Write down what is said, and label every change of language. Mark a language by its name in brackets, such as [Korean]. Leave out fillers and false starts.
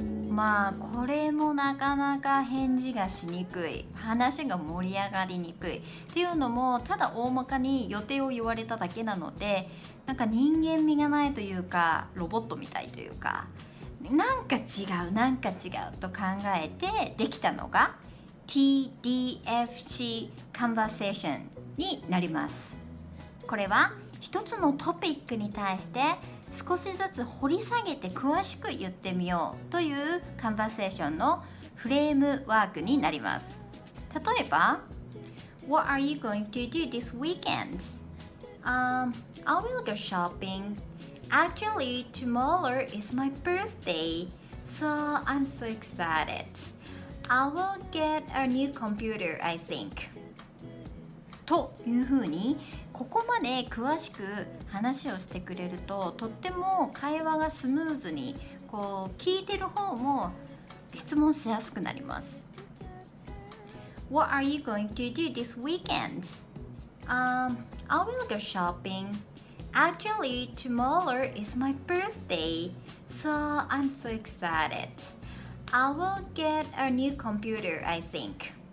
[Japanese] まあ、これもなかなか返事がしにくい、話が盛り上がりにくいっていうのも、ただ大まかに予定を言われただけなので、なんか人間味がないというか、ロボットみたいというか、なんか違う、なんか違うと考えてできたのが TDFC Conversation になります。これは一つのトピックに対して少しずつ掘り下げて詳しく言ってみようというカンバセーションのフレームワークになります。 [English] 例えば、 What are you going to do this weekend? I will go shopping. Actually, tomorrow is my birthday, so I'm so excited. I will get a new computer, I think. [Japanese] というふうに、ここまで詳しく話をしてくれると、とっても会話がスムーズに、こう聞いてる方も質問しやすくなります。 [English] What are you going to do this weekend? I will go shopping. Actually, tomorrow is my birthday, so I'm so excited. I will get a new computer, I think.